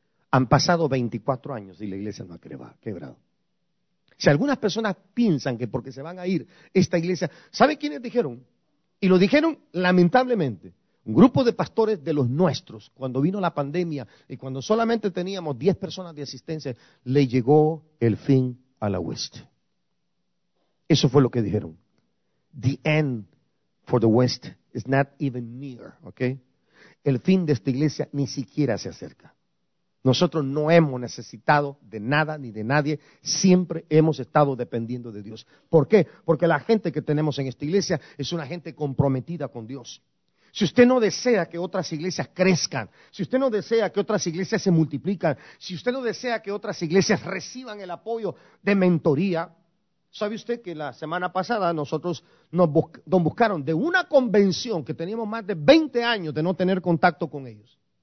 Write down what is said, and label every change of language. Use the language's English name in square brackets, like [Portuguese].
[Spanish] Han pasado 24 años y la iglesia no ha quebrado. Si algunas personas piensan que porque se van a ir esta iglesia, ¿sabe quiénes dijeron? Y lo dijeron lamentablemente. Un grupo de pastores de los nuestros, cuando vino la pandemia y cuando solamente teníamos 10 personas de asistencia, le llegó el fin a la West. Eso fue lo que dijeron. [English] The end for the West is not even near, ¿okay? [Spanish] El fin de esta iglesia ni siquiera se acerca. Nosotros no hemos necesitado de nada ni de nadie, siempre hemos estado dependiendo de Dios. ¿Por qué? Porque la gente que tenemos en esta iglesia es una gente comprometida con Dios. Si usted no desea que otras iglesias crezcan, si usted no desea que otras iglesias se multipliquen, si usted no desea que otras iglesias reciban el apoyo de mentoría, ¿sabe usted que la semana pasada nosotros nos buscaron de una convención que teníamos más de 20 años de no tener contacto con ellos?